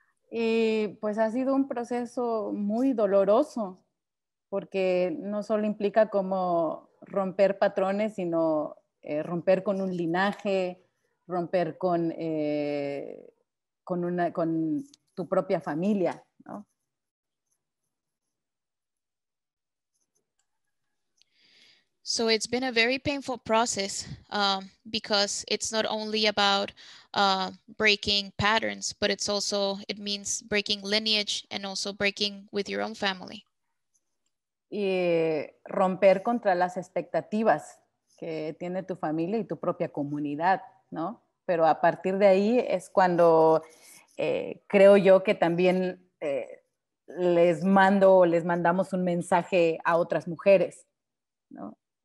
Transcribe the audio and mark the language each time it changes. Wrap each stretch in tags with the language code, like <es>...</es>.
<es>Y pues ha sido un proceso muy doloroso, porque no solo implica como romper patrones, sino romper con un linaje, romper con tu propia familia, ¿no?</es> <en>So it's been a very painful process because it's not only about breaking patterns, but it's also, it means breaking lineage and also breaking with your own family.</en> <es>Y romper contra las expectativas que tiene tu familia y tu propia comunidad, ¿no? Pero a partir de ahí es cuando creo yo que también les mando o les mandamos un mensaje a otras mujeres, ¿no?</es>